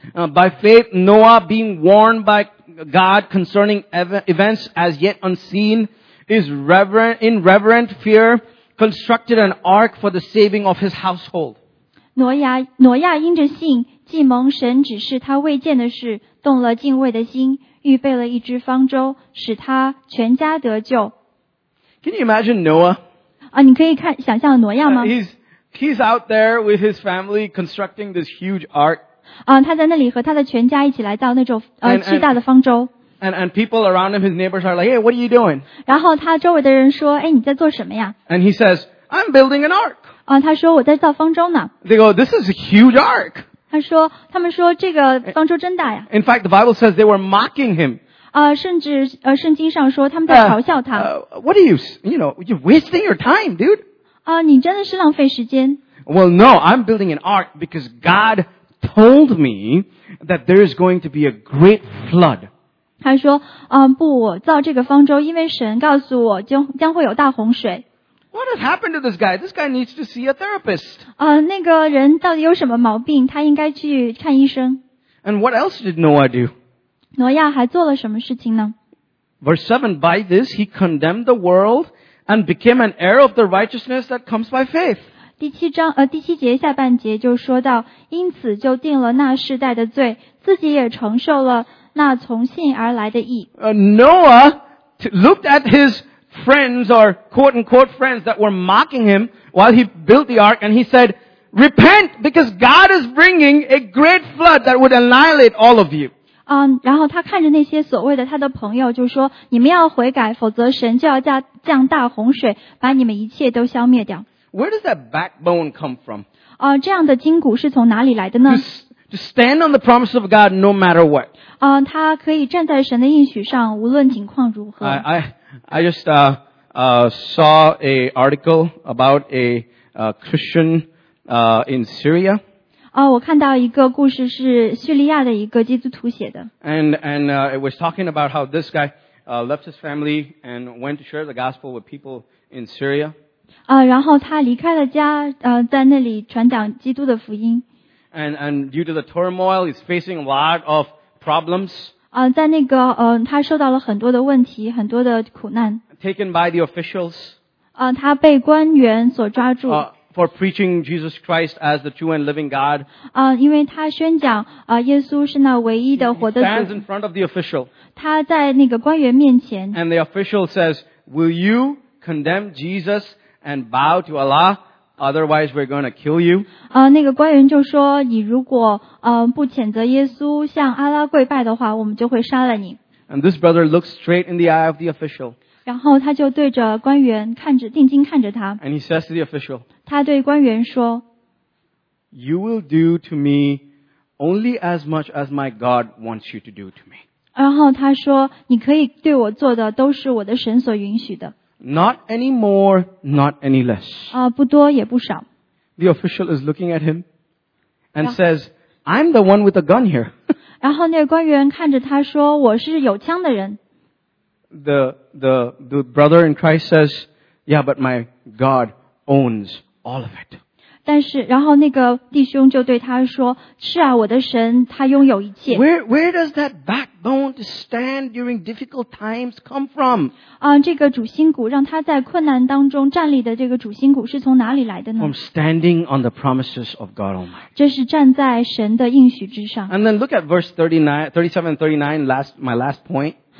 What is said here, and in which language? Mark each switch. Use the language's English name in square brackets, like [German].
[English] By faith, Noah, being warned by God concerning events as yet unseen, is in reverent fear, constructed an ark for the saving of his household. [Chinese] 挪亚因着信既蒙神指示他未见的事，动了敬畏的心，预备了一只方舟，使他全家得救。 [English] Can you imagine Noah? [Chinese] 你可以想象挪亚吗？ [English] He's out there with his family constructing this huge ark. [Chinese] 他在那里和他的全家一起来造那种巨大的方舟。 [English] And people around him, his neighbors are like, "Hey, what are you doing?" [Chinese] 然后他周围的人说，你在做什么呀？ [English] And he says, "I'm building an ark." [Chinese] 他说我在造方舟呢。 [English] They go, "This is a huge ark." [Chinese] 他们说这个方舟真大呀。 [English] In fact, the Bible says they were mocking him. [Chinese] 圣经上说他们在嘲笑他。 [English] What are you know, you're wasting your time, dude. [Chinese] 你真的是浪费时间。 [English] Well, no, I'm building an ark because God told me that there is going to be a great flood. [Chinese] 他说，不，我造这个方舟，因为神告诉我将会有大洪水。 [English] What has happened to this guy? This guy needs to see a therapist. [Chinese] 那个人到底有什么毛病？他应该去看医生。 [English] And what else did Noah do? [Chinese] 挪亚还做了什么事情呢？ [English] Verse 7, by this he condemned the world and became an heir of the righteousness that comes by faith. [Chinese] 第七节下半节就说到，因此就定了那世代的罪，自己也承受了那从信而来的义。 [English] Noah looked at his friends or quote unquote friends that were mocking him while he built the ark and he said, repent because God is bringing a great flood that would annihilate all of you. [Chinese] 然后他看着那些所谓的他的朋友就说，你们要悔改，否则神就要降大洪水，把你们一切都消灭掉。 [English] Where does that backbone come from? [Chinese] 这样的筋骨是从哪里来的呢？ [English] To stand on the promise of God no matter what. [Chinese] 他可以站在神的应许上，无论情况如何。 [English] I just saw a article about a Christian in Syria. [Chinese] 我看到一个故事是叙利亚的一个基督徒写的。 [English] And it was talking about how this guy left his family and went to share the gospel with people in Syria. [Chinese] 然后他离开了家，在那里传讲基督的福音。 [English] And due to the turmoil, he's facing a lot of problems. [Chinese] 在那个他受到了很多的问题，很多的苦难。 [English] Taken by the officials. [Chinese] 他被官员所抓住。 [English] For preaching Jesus Christ as the true and living God. [Chinese] 因为他宣讲耶稣是那唯一的活的主。 [English] He stands in front of the official. [Chinese] 他在那个官员面前。 [English] And the official says, "Will you condemn Jesus and bow to Allah? Otherwise, we're going to kill you." [Chinese] 那个官员就说，你如果不谴责耶稣，向阿拉跪拜的话，我们就会杀了你。 [English] And this brother looks straight in the eye of the official. [Chinese] 然后他就对着官员看着，定睛看着他。 [English] And he says to the official, [Chinese] 他对官员说， [English] "You will do to me only as much as my God wants you to do to me." [Chinese] 然后他说，你可以对我做的都是我的神所允许的。 [English] Not any more, not any less. [Chinese] 不多也不少。 [English] The official is looking at him and says, "I'm the one with the gun here." [Chinese] 然后那个官员看着他说，我是有枪的人。 [English] The brother in Christ says, "Yeah, but my God owns all of it." [Chinese] 但是然后那个弟兄就对他说，是啊，我的神他拥有一切。 [English] Where does that backbone to stand during difficult times come from? [Chinese] 这个主心骨让他在困难当中站立的这个主心骨是从哪里来的呢？ [English] From standing on the promises of God Almighty. [Chinese] 这是站在神的应许之上。 [English] And then look at verse 37 and 39, my last point.